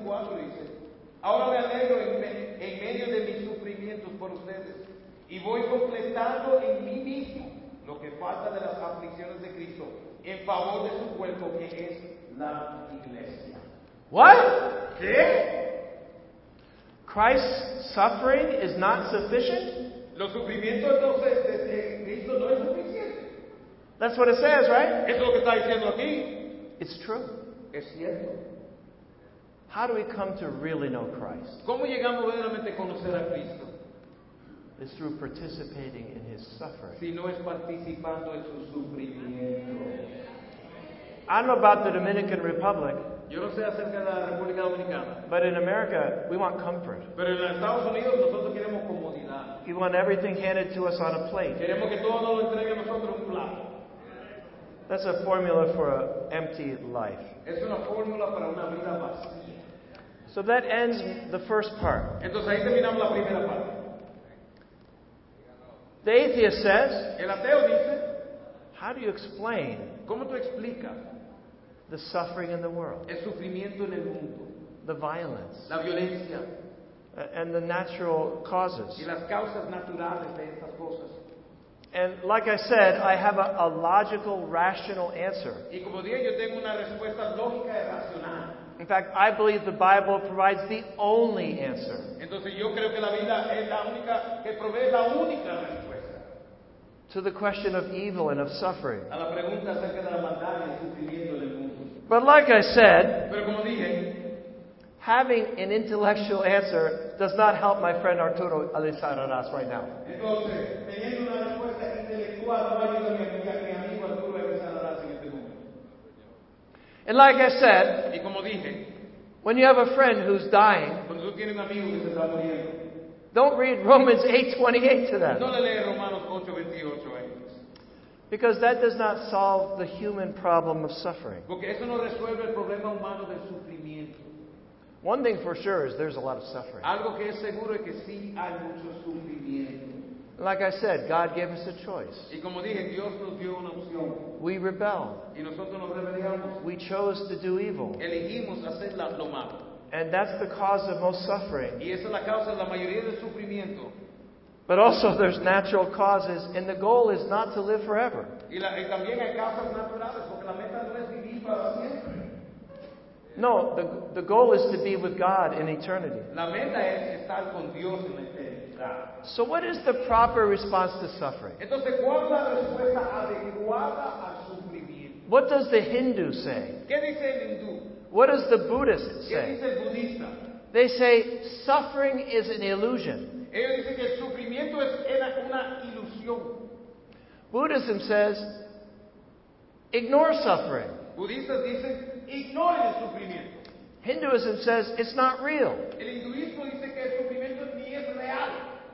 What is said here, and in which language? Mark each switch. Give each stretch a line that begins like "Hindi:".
Spanish: Colosenses 1:24 dice, ahora me alegro en medio de mis sufrimientos por ustedes y voy completando en mí mismo lo que falta de las aflicciones de Cristo en favor de su cuerpo que es la iglesia.
English: What?
Spanish: ¿Qué?
English: Christ's suffering is not sufficient?
Spanish: Los sufrimientos entonces de Cristo no es suficiente.
English: That's what it says, right?
Spanish: Eso es lo que está diciendo aquí.
English: It's true.
Spanish: Es cierto.
English: How do we come to really know Christ?
Spanish: ¿Cómo llegamos verdaderamente a conocer a Cristo?
English: It's through participating in His suffering.
Spanish: Si no es participando en su sufrimiento.
English: I don't know about the Dominican Republic.
Spanish: Yo no sé acerca de la República Dominicana.
English: But in America, we want comfort.
Spanish: Pero en Estados Unidos, nosotros queremos comodidad.
English: We want everything handed to us on a plate.
Spanish: Queremos que todo nos lo entregue a nosotros un plato.
English: That's a formula for an empty life.
Spanish: Es una fórmula para una vida vacía.
English: So that ends the first part.
Spanish: Entonces, ahí terminamos la primera parte.
English: The atheist says,
Spanish: el ateo dice,
English: how do you explain,
Spanish: ¿cómo tú explicas,
English: the suffering in the world?
Spanish: El sufrimiento en el mundo,
English: the violence.
Spanish: La violencia,
English: and the natural causes.
Spanish: Y las causas naturales de estas cosas.
English: And like I said, I have a logical, rational answer.
Spanish: Y como dije, yo tengo una respuesta lógica y racional.
English: In fact, I believe the Bible provides the only answer.
Spanish: Entonces, yo creo que la vida es la única, que provee la única respuesta.
English: To the question of evil and of suffering.
Spanish: A la pregunta acerca de la maldad y el sufrimiento del mundo.
English: But like I said,
Spanish: pero como dije,
English: having an intellectual answer does not help my friend Arturo Alizarraraz right now.
Spanish: Entonces, teniendo una respuesta intelectual, no ayuda a mi amigo Arturo Alizarraraz en este momento.
English: And like I said,
Spanish: y como dije,
English: when you have a friend who's dying,
Spanish: cuando tú tienes un amigo que se está muriendo,
English: don't read Romans 8:28 to them.
Spanish: No le lees Romanos 8:28 a ellos.
English: Because that does not solve the human problem of suffering.
Spanish: Porque eso no resuelve el problema humano del sufrimiento.
English: One thing for sure is there's a lot of suffering.
Spanish: Algo que es seguro es que sí hay mucho sufrimiento.
English: Like I said, God gave us a choice.
Spanish: Y como dije, Dios nos dio una opción.
English: We rebelled.
Spanish: Y nosotros nos rebelamos.
English: We chose to do evil.
Spanish: Elegimos hacer lo malo.
English: And that's the cause of most suffering.
Spanish: Y esa es la causa de la mayoría del sufrimiento.
English: But also there's natural causes, and the goal is not to live forever.
Spanish: Y también hay causas naturales, porque la meta no es vivir para siempre.
English: No, the goal is to be with God in eternity.
Spanish: La meta es estar con Dios en la eternidad.
English: So what is the proper response to suffering?
Spanish: Entonces, ¿cuál es la respuesta adecuada al sufrimiento?
English: What does the Hindu say?
Spanish: ¿Qué dice el Hindú?
English: What does the Buddhist say?
Spanish: ¿Qué dice el budista?
English: They say suffering is an illusion.
Spanish: Ellos dicen que el sufrimiento es una ilusión.
English: Buddhism says Ignore suffering.
Spanish: Budistas dicen, ignore el sufrimiento.
English: Hinduism says it's not real.
Spanish: El hinduismo dice que el sufrimiento ni es real.